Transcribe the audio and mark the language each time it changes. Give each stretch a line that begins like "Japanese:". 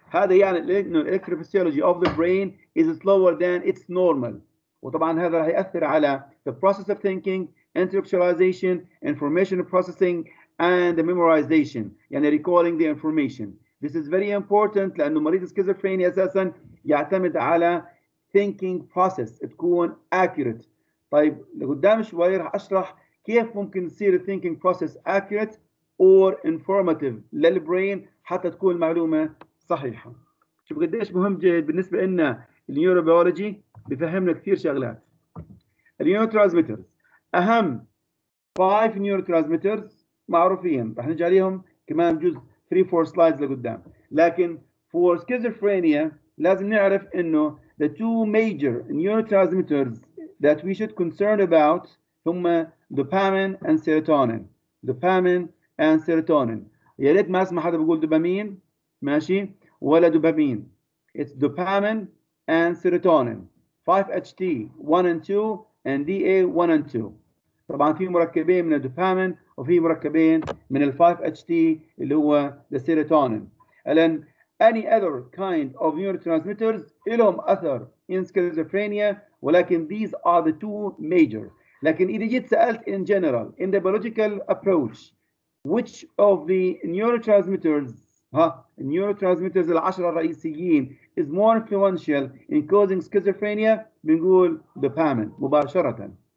Arabic: هذا يعني إنه
English: electrophysiology of the brain is slower than its normal.
Arabic: وطبعا هذا راح يأثر على
English: the process of thinking, intellectualization, information processing, and the memorization. يعني recalling the information. This is very important
Arabic: لأنه مريض السكيزوفرينيا أساسا يعتمد على thinking process تكون accurate. طيب لقدام شوي راح أشرح كيف ممكن تصير thinking process accurate or informative للبرين حتى تكون المعلومة صحيحة. شوف قديش مهم جيد بالنسبة لنا النيوروبيولوجي بفهمنا كثير شغلات. النيوروترانسميترز أهم 5 نيوروترانسميترز معروفين راح نجي عليهم كمان جزء 3-4 سلايدز لقدام.
English: لكن for schizophrenia
Arabic: لازم نعرف إنه
English: the two major neurotransmitters that we should concern about هما dopamine and serotonin. Dopamine and serotonin.
Arabic: يا ريت ما اسمع حدا بقول دوبامين ماشي ولا دوبامين.
English: It's dopamine and serotonin. 5-HT 1 and 2 and DA 1 and 2.
Arabic: طبعا في مركبين من الدوبامين وفي مركبين من ال 5-HT اللي هو السيروتونين. الان
English: any other kind of neurotransmitters
Arabic: لهم اثر in schizophrenia ولكن
English: these are the two major.
Arabic: لكن اذا جيت سالت
English: in general in the biological approach which of the neurotransmitters neurotransmitters
Arabic: العشرة الرئيسيين
English: is more influential in causing schizophrenia
Arabic: بنقول دوبامين مباشرة.